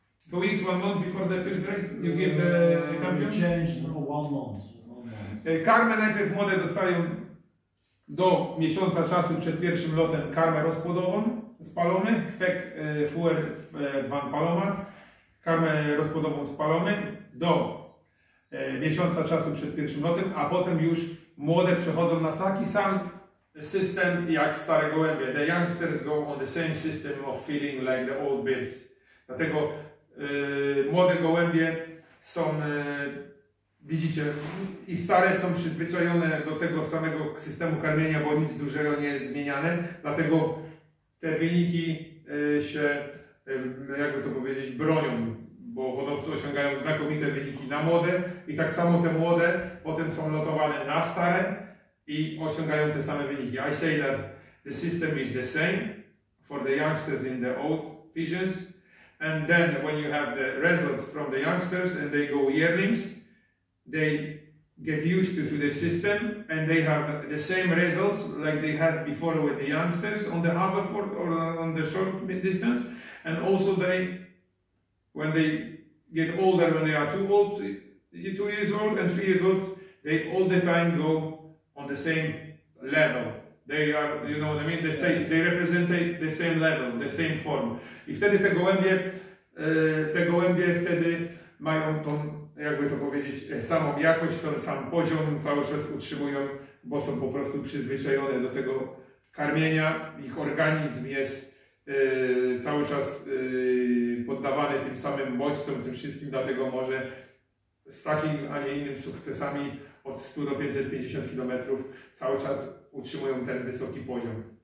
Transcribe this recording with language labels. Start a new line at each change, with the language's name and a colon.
English: 2 weeks, 1 month before the first race, you give the champion? We change, no, 1 month.
Polish: Karmę najpierw młode dostają do miesiąca czasu przed pierwszym lotem, karmę rozpłodową z Palomy,
Dutch: kwek fuer van Paloma,
Polish: karmę rozpłodową z Palomy do miesiąca czasu przed pierwszym lotem, a potem już młode przechodzą na taki sam system jak stare gołębie.
English: The youngsters go on the same system of feeding like the old birds.
Polish: Dlatego młode gołębie są, widzicie, i stare są przyzwyczajone do tego samego systemu karmienia, bo nic dużego nie jest zmieniane. Dlatego te wyniki się, jakby to powiedzieć, bronią, bo hodowcy osiągają znakomite wyniki na młode i tak samo te młode potem są lotowane na stare i osiągają te same wyniki.
English: I say that the system is the same for the youngsters in the old pigeons. And then when you have the results from the youngsters and they go yearlings, they get used to the system and they have the same results like they had before with the youngsters on the haverford or on the short distance. And also they, when they get older, when they are two years old and 3 years old, they all the time go on the same level. They are, you know what I mean? They say they represent the same level, the same form.
Polish: I wtedy te gołębie wtedy mają tą, jakby to powiedzieć, samą jakość, ten sam poziom, cały czas utrzymują, bo są po prostu przyzwyczajone do tego karmienia. Ich organizm jest cały czas poddawany tym samym bodźcom, tym wszystkim, dlatego może z takim, a nie innym sukcesami od 100 do 550 km cały czas utrzymują ten wysoki poziom.